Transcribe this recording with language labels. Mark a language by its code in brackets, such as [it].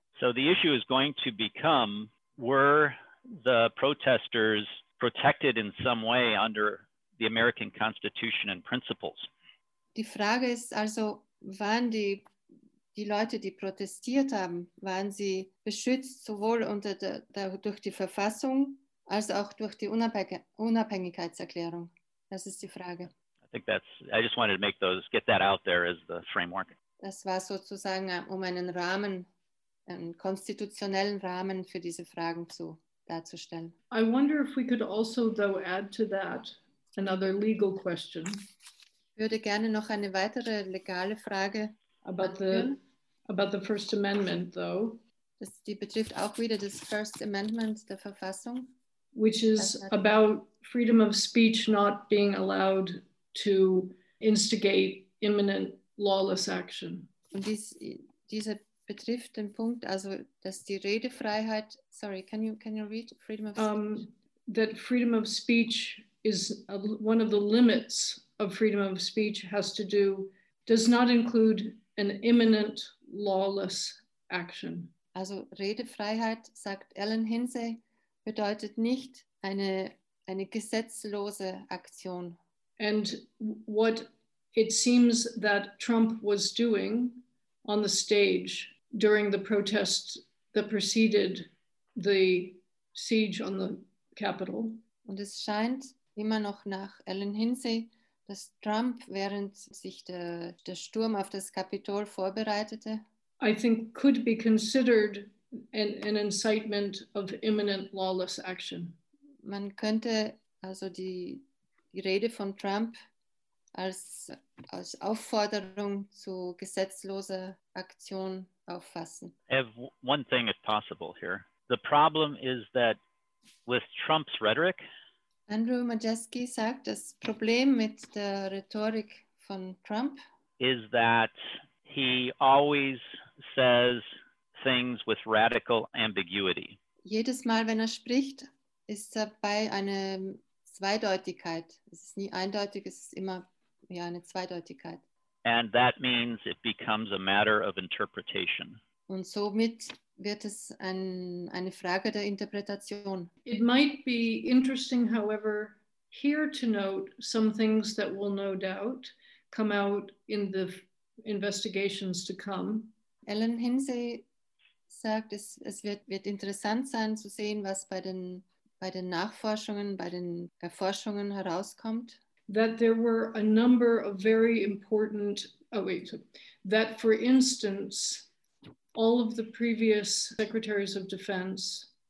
[en] So the issue is going to become, were the protesters protected in some way under the American Constitution and principles? [de] Die Frage ist also, waren die Leute, die protestiert haben, waren sie beschützt sowohl durch die Verfassung als auch durch die Unabhängigkeitserklärung? Das ist die Frage. [en] I just wanted to get that out there as the framework. [de] Das war sozusagen, um einen Rahmen, einen konstitutionellen Rahmen für diese Fragen darzustellen. [en] I wonder if we could also though add to that another legal question. [de] Ich würde gerne noch eine weitere legale Frage [en] about the First Amendment though. [de] Die betrifft auch wieder das First Amendment der Verfassung. [en] Which is about freedom of speech not being allowed to instigate imminent lawless action. [de] Und dieser betrifft den Punkt, also dass die Redefreiheit, [en] sorry, can you read freedom of speech? That freedom of speech is one of the limits of freedom of speech does not include an imminent lawless action. [de] Also Redefreiheit, sagt Ellen Hinsey, bedeutet nicht eine gesetzlose Aktion. [en] And what it seems that Trump was doing on the stage during the protest that preceded the siege on the Capitol. [de] Und es scheint immer noch nach Ellen Hinsey, dass Trump, während sich der Sturm auf das Kapitol vorbereitete, [en] I think could be considered an incitement of imminent lawless action. [de] Man könnte also die Rede von Trump als Aufforderung zu gesetzloser Aktion auffassen. [en] I have one thing if possible here. The problem is that with Trump's rhetoric, [de] Andrew Majewski sagt, das Problem mit der Rhetorik von Trump [en] is that he always says things with radical ambiguity. [de] Jedes Mal, wenn er spricht, ist dabei eine Zweideutigkeit. Es ist nie eindeutig, es ist immer eine Zweideutigkeit. [en] And that means it becomes a matter of interpretation. [de] Und somit wird es eine Frage der Interpretation. [en] It might be interesting, however, here to note some things that will no doubt come out in the investigations to come. [de] Ellen Hinsey sagt, es wird interessant sein zu sehen, was bei den Nachforschungen, bei den Erforschungen herauskommt. [en] That there were a number of very important, that for instance, all of the previous secretaries of defense,